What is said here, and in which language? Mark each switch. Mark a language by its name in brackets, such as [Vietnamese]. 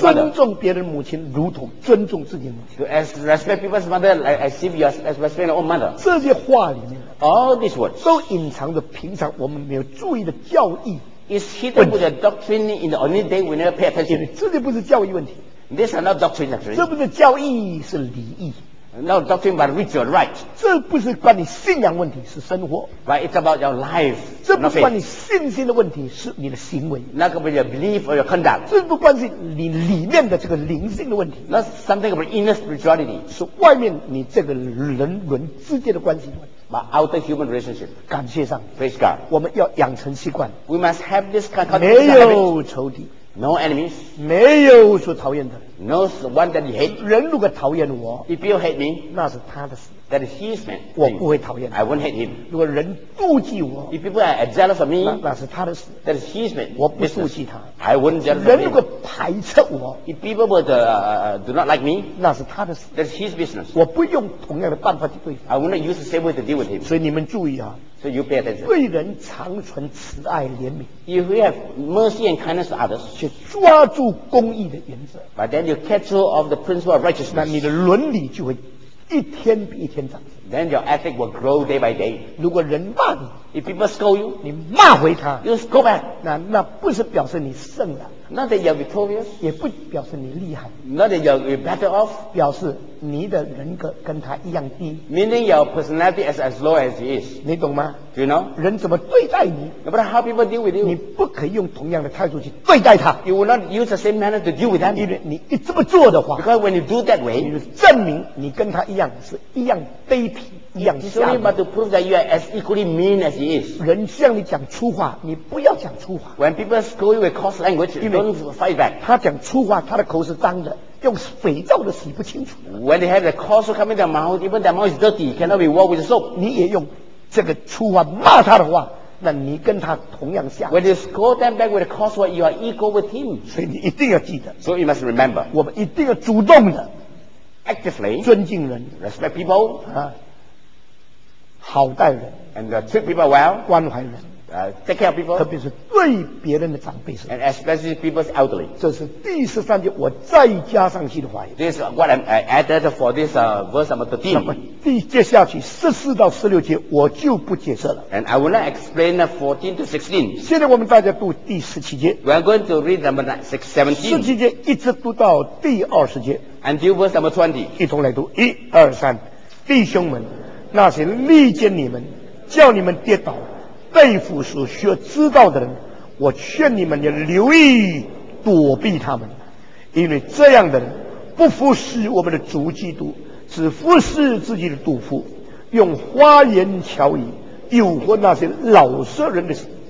[Chinese] 尊重别人的母亲如同尊重自己的母亲 [English] to respect people's mother, like, as if you are respecting your own mother [Chinese] 这些话里面 [English] All these words [Chinese] 都隐藏着平常我们没有注意的教义 [English] It's hidden with a doctrine in the only day we never pay attention [Chinese] 这些不是教义问题 [English] These are not doctrine actually [Chinese] 这不是教义是礼义 [English] Not doctrine but ritual, right [Chinese] 这不是关你信仰问题是生活 [English] But it's about your life [Chinese] 这不关你信心的问题，是你的行为。 [English] Not about your belief or your conduct。 [Chinese] 这不关系你里面的这个灵性的问题。 [English] Not something about inner spirituality。 [Chinese] 是外面你这个人伦之间的关系。 [English] But outer human relationship。 [Chinese] 感谢上帝。 [English] Praise God。 [Chinese] 我们要养成习惯。 [English] We must have this kind of habit。 [Chinese] 没有仇敌。 [English] No enemies. [Chinese] 没有说讨厌他。 [English] No one that you hate. [Chinese] 人如果讨厌我 [English] ，If you hate me， [Chinese] 那是他的事。 [English] That is his man. [Chinese] 我不会讨厌他。 [English] I won't hate him. [Chinese] 如果人妒忌我 [English] ，If people are jealous of me， [Chinese] 那是他的事。 [English] That is his man. [Chinese] 我不妒忌他。 [English] I won't jealous of him. [Chinese] 人如果排斥我 [English] ，If people would do not like me， [Chinese] 那是他的事。 [English] That is his business. [Chinese] 我不用同样的办法去对付。 [English] I won't use the same way to deal with him. [Chinese] 所以你们注意啊。 [English] So you pay attention. [Chinese] 为人常存慈爱怜悯。 [English] If you have mercy and kindness to others， [Chinese] 去抓住公义的原则。 [English] But then you catch hold of the principle of righteousness， [Chinese] 那你的伦理就会一天比一天长。 [English] Then your ethic will grow day by day。 [Chinese] 如果人骂你 [English] ，If people scold you， [Chinese] 你骂回他 [English] ，You scold back。 [Chinese] 那不是表示你胜了。 [English] Not that you're victorious， [Chinese] 也不表示你厉害。 [English] Not that you're better off， [Chinese] 表示你的人格跟他一样低。 [English] Meaning your personality is as low as he is， [Chinese] 你懂吗 [English] ？Do you know？ [Chinese] 人怎么对待你 [English] ？But how people deal with you？ [Chinese] 你不可以用同样的态度去对待他。 [English] You will not use the same manner to deal with them。 [Chinese] 因为你一这么做的话 [English] ，Because when you do that way， [Chinese] 你就证明你跟他一样是一样卑鄙。 [English] It's only but to prove that you are as equally mean as he is. [Chinese] 人向你讲粗话，你不要讲粗话。 [English] When people scold you with coarse language, don't fight back. [Chinese] 他讲粗话，他的口是脏的，用肥皂都洗不清楚。 [English] When they have the coarse come in their mouth, even their mouth is dirty, cannot be washed with soap. [Chinese] 你也用这个粗话骂他的话，那你跟他同样下。 [English] When you scold them back with a coarse word, you are equal with him. [Chinese] 所以你一定要记得。 [English] So you must remember. [Chinese] 我们一定要主动的 [English] ，actively [Chinese] 尊敬人 [English] ，respect people. [Chinese] 好待人 [English] ，and treat people well， [Chinese] 关怀人 [English] ，take care of people， [Chinese] 特别是对别人的长辈是 [English] ，and especially people's elderly。 [Chinese] 这是第十三节，我再加上去的话语。 [English] This is what I'm added for this verse number 13。 [Chinese] 那么第接下去十四到十六节我就不解释了。 [English] And I will not explain the 14 to 16。 [Chinese] 现在我们大家读第十七节。 [English] We are going to read number 17。 [Chinese] 十七节一直读到第二十节。 [English] Until verse number 20。 [Chinese] 一同来读一二三，弟兄们。那些力荐你们叫你们跌倒被俘所需要知道的人，我劝你们要留意躲避他们，因为这样的人不服侍我们的主基督，只服侍自己的肚腹，用花言巧语诱惑那些老实人的心。